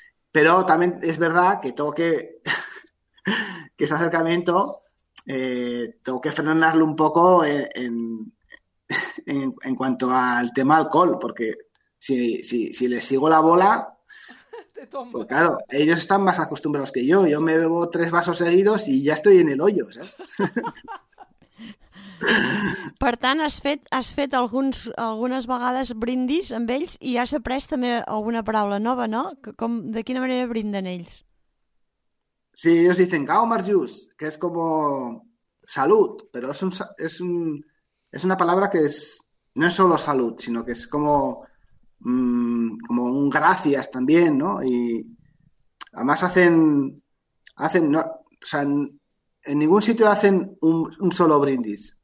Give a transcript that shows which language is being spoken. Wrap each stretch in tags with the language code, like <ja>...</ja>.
<es>Pero también es verdad que tengo que ese acercamiento tengo que frenarlo un poco en cuanto al tema alcohol, porque si les sigo la bola. Pues claro, ellos están más acostumbrados que yo. Yo me bebo 3 vasos seguidos y ya estoy en el hoyo, ¿sabes?</es> <ca>Per tant, has fet algunes vegades brindis amb ells i has après també alguna paraula nova, no? De quina manera brinden ells?</ca> <es>Sí, ellos dicen Gaumarjus, que es como salud, pero es una palabra que es no es solo salud, sino que es como... como un gracias también, ¿no? Y además hacen no, o sea, en ningún sitio hacen un solo brindis.</es>